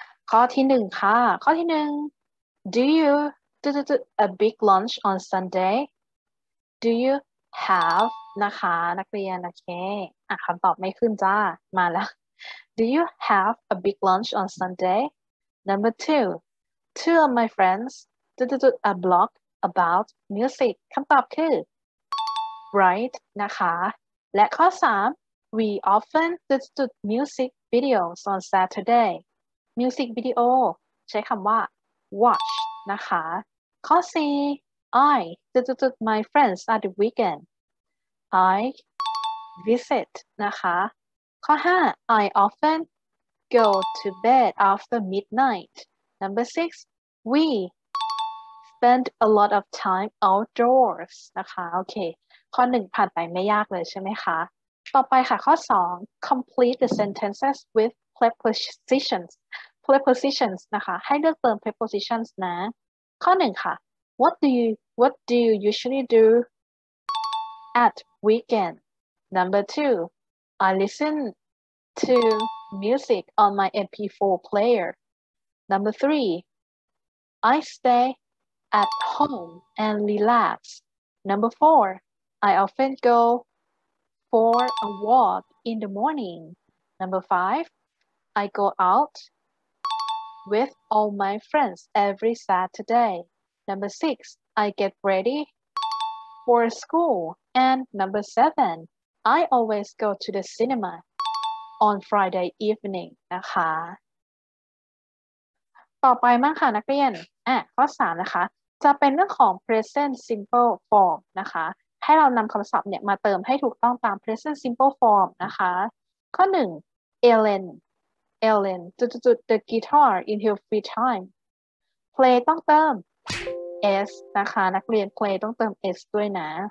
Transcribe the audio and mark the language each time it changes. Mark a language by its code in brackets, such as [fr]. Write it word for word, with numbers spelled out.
[th] ข้อที่หนึ่งค่ะข้อที่หนึ่ง [en] do you do do a big lunch on Sunday Do you have [th] นะคะนักเรียนโอเคอ่ะคำตอบไม่ขึ้นจ้ามาแล้ว [en] Do you have a big lunch on Sunday? Number two, two of my friends did a blog about music [th] คำตอบคือ [en] right [th] นะคะและข้อสาม [en] we often do music videos on Saturday. Music video [th] ใช้คำว่า [en] watch [th] นะคะข้อสี่ [en] I my friends at the weekend. I visit [th] นะคะข้อห้า [en] I often go to bed after midnight. Number six, we spend a lot of time outdoors [th] นะคะโอเคข้อหนึ่งผ่านไปไม่ยากเลยใช่ไหมคะต่อไปค่ะข้อสอง [en] complete the sentences with prepositions prepositions [th] นะคะให้เลือกเติม [en] prepositions [th] นะข้อหนึ่งค่ะ [en] What do you What do you usually do at weekend? Number two, I listen to music on my M P four player. Number three, I stay at home and relax. Number four, I often go for a walk in the morning. Number five, I go out with all my friends every Saturday. Number six, I get ready for school. And number seven, I always go to the cinema on Friday evening. [th] นะคะต่อไปมั้งค่ะนักเรียนอ่ะข้อสามนะคะจะเป็นเรื่องของ present simple form นะคะให้เรานำคำศัพท์เนี่ยมาเติมให้ถูกต้องตาม present simple form นะคะข้อหนึ่ง Ellen Ellen จุดๆ [en] the guitar in her free time play [th] ต้องเติมs นะคะนักเรียน play ต้องเติม s ด้วยนะ